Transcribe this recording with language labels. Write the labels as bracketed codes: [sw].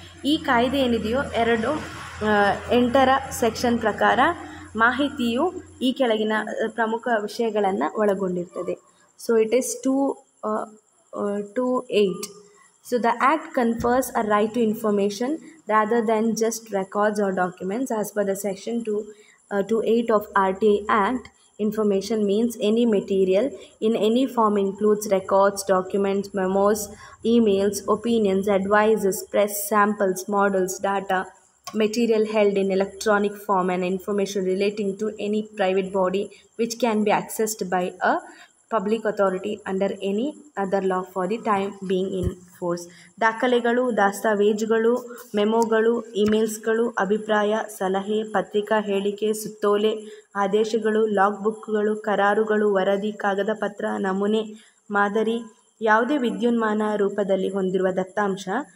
[kn] ಈ ಕಾಯ್ದೆ ಏನಿದೆಯೋ 2.8 ಸೆಕ್ಷನ್ ಪ್ರಕಾರ ಮಾಹಿತಿಯು ಈ ಕೆಳಗಿನ ಪ್ರಮುಖ ವಿಷಯಗಳನ್ನು ಒಳಗೊಂಡಿರ್ತದೆ. [en] So it is 2.8. So the act confers a right to information rather than just records or documents. As per the section 2.8 of RTI act, information means any material in any form, includes records, documents, memos, emails, opinions, advices, press samples, models, data, material held in electronic form, and information relating to any private body which can be accessed by a public authority under any other law for the time being in force. [kn] ದಾಖಲೆಗಳು, ದಾಸ್ತಾವೇಜುಗಳು, ಮೆಮೋಗಳು, ಇಮೇಲ್ಸ್ಗಳು, ಅಭಿಪ್ರಾಯ, ಸಲಹೆ, ಪತ್ರಿಕಾ ಹೇಳಿಕೆ, ಸುತ್ತೋಲೆ, ಆದೇಶಗಳು, log ಬುಕ್ಗಳು, ಕರಾರುಗಳು, ವರದಿ, ಕಾಗದ ಪತ್ರ, ನಮೂನೆ, ಮಾದರಿ, ಯಾವುದೇ ವಿದ್ಯುನ್ಮಾನ ರೂಪದಲ್ಲಿ ಹೊಂದಿರುವ ದತ್ತಾಂಶ